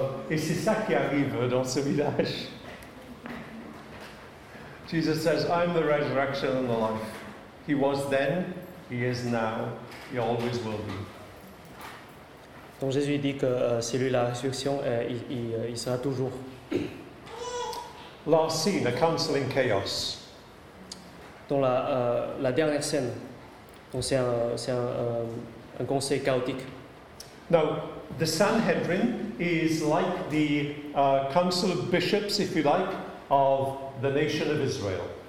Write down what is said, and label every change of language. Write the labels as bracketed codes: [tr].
[fr] Et c'est ça qui arrive dans ce village. [en] Jesus says, I'm the resurrection and the life. He was then, he is now, he always will be. [fr] Donc Jésus dit que c'est lui la résurrection et il sera toujours. [en] Last scene, a council in chaos. [fr] Dans la dernière scène, donc c'est un conseil chaotique. [en] Now, the Sanhedrin is like the council of bishops, if you like, of the nation of Israel.